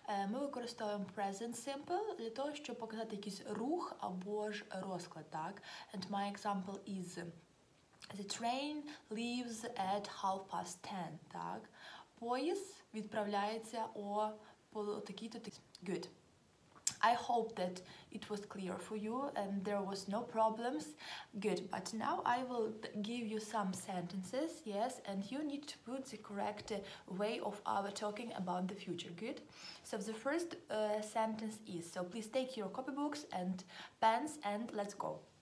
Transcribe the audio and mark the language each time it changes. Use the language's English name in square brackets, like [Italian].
[Ukrainian] Ми використовуємо present simple для того, щоб показати якийсь рух або ж розклад, так? [English] And my example is the train leaves at 10:30, [Ukrainian] так? Поїзд відправляється о такій-то. [English] Good. I hope that it was clear for you and there was no problems. Good. But now I will give you some sentences, yes, and you need to put the correct way of our talking about the future. Good. So the first sentence is, so please take your copybooks and pens and let's go.